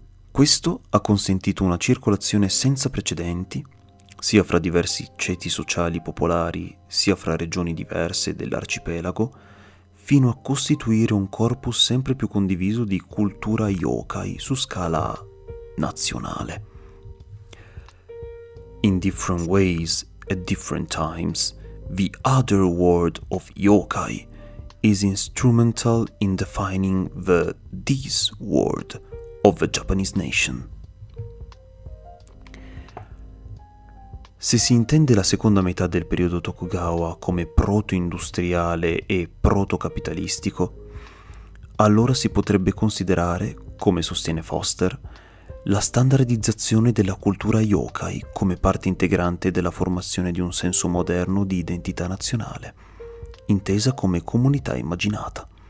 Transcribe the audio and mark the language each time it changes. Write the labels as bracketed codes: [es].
[it] Questo ha consentito una circolazione senza precedenti, sia fra diversi ceti sociali popolari, sia fra regioni diverse dell'arcipelago, fino a costituire un corpus sempre più condiviso di cultura yokai su scala nazionale. [en] In different ways, at different times, the other world of yokai is instrumental in defining the this world of the Japanese nation. [it] Se si intende la seconda metà del periodo Tokugawa come proto-industriale e proto-capitalistico, allora si potrebbe considerare, come sostiene Foster, la standardizzazione della cultura yokai come parte integrante della formazione di un senso moderno di identità nazionale, intesa come comunità immaginata.